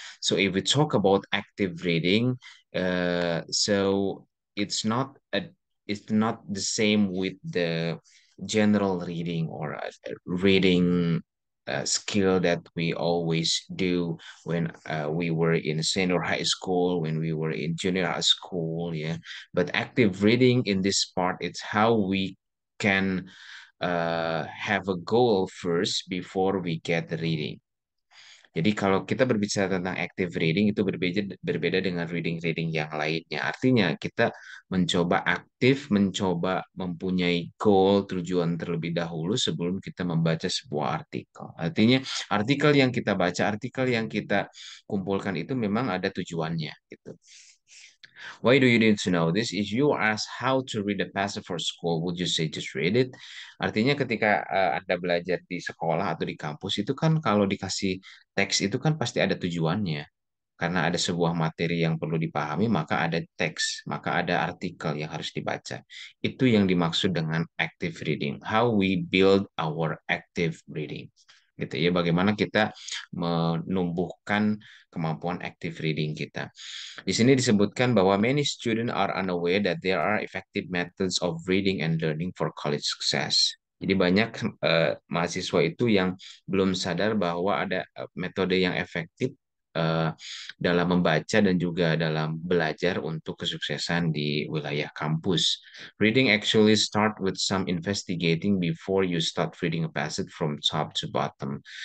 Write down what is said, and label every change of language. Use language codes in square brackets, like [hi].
[en] So if we talk about active reading, so it's not the same with the general reading or reading skill that we always do when we were in senior high school, when we were in junior high school, yeah. But active reading in this part, it's how we can have a goal first before we get the reading. [id] Jadi kalau kita berbicara tentang active reading, itu berbeda dengan reading-reading yang lainnya. Artinya kita mencoba aktif, mencoba mempunyai goal, tujuan terlebih dahulu sebelum kita membaca sebuah artikel. Artinya artikel yang kita baca, artikel yang kita kumpulkan itu memang ada tujuannya. [en] Gitu. Why do you need to know this? If you ask how to read a passage for school, would you say just read it? [id] Artinya ketika Anda belajar di sekolah atau di kampus, itu kan kalau dikasih teks itu kan pasti ada tujuannya. Karena ada sebuah materi yang perlu dipahami, maka ada teks, maka ada artikel yang harus dibaca. Itu yang dimaksud dengan active reading. [en] How we build our active reading. [id] Gitu ya, bagaimana kita menumbuhkan kemampuan active reading kita. Di sini disebutkan bahwa [en] many students are unaware that there are effective methods of reading and learning for college success. [id] Jadi banyak mahasiswa itu yang belum sadar bahwa ada metode yang efektif dalam membaca dan juga dalam belajar untuk kesuksesan di wilayah kampus. [en] Reading actually start with some investigating before you start reading a passage from top to bottom.